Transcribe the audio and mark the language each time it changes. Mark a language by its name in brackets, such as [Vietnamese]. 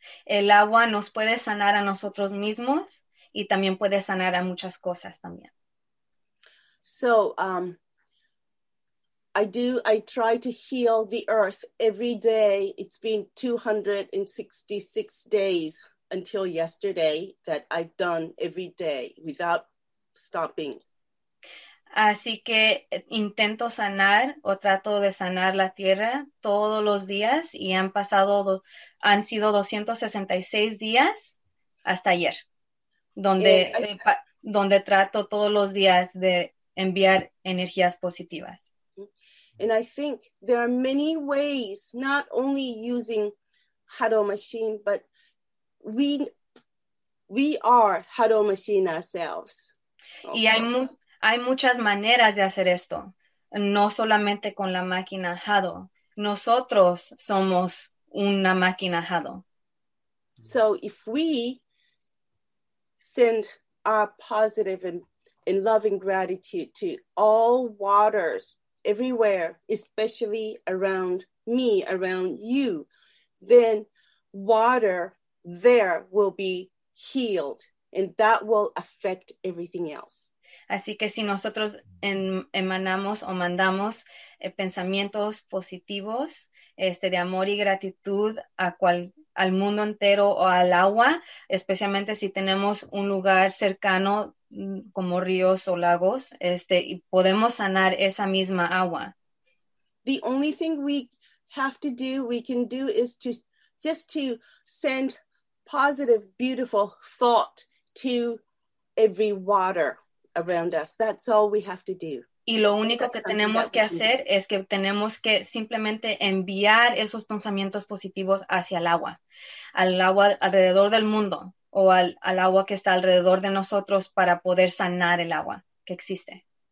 [Spanish] El agua nos puede sanar a nosotros mismos y también puede sanar a muchas cosas también. [English] So I try to heal the earth every day. It's been 266 days until yesterday that I've done every day without stopping. [Spanish] Así que intento sanar o trato de sanar la tierra todos los días y han sido 266 días hasta ayer, donde trato todos los días de enviar energías positivas. [English] And I think there are many ways, not only using Hado machine, but we are Hado machine ourselves. [Spanish] Y hay muchas maneras de hacer esto, no solamente con la máquina Hado. Nosotros somos una máquina Hado. [English] So if we send our positive and loving gratitude to all waters everywhere, especially around me, around you, then water there will be healed, and that will affect everything else. [Spanish] Así que si nosotros emanamos o mandamos pensamientos positivos, de amor y gratitud al mundo entero o al agua, especialmente si tenemos un lugar cercano como ríos o lagos, y podemos sanar esa misma agua. [English] The only thing we have to do, we can do, is to just to send positive, beautiful thought to every water around us. That's all we have to do. [Spanish] Y lo único que tenemos que hacer es que tenemos que simplemente enviar esos pensamientos positivos hacia el agua, al agua alrededor del mundo o al agua que está alrededor de nosotros para poder sanar el agua que existe.